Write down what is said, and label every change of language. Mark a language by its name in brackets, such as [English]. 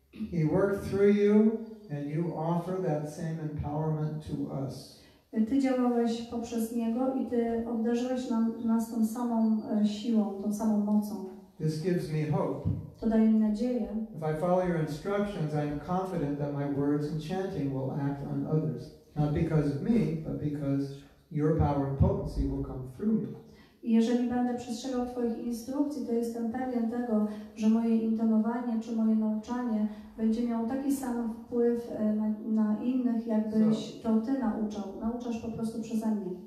[English] He worked through you and you offer that same empowerment to us. [Polish] Ty działałeś poprzez niego i ty obdarzyłeś nas tą samą siłą, tą samą mocą. [English] This gives me hope. [Polish] To daje mi nadzieję. [English] If I follow your instructions, I am confident that my words and chanting will act on others. Not because of me, but because your power and potency will come through me. [Polish] Jeżeli będę przestrzegał Twoich instrukcji, to jestem pewien tego, że moje intonowanie czy moje nauczanie będzie miało taki sam wpływ na innych, jakbyś to Ty nauczał. Nauczasz po prostu przeze mnie.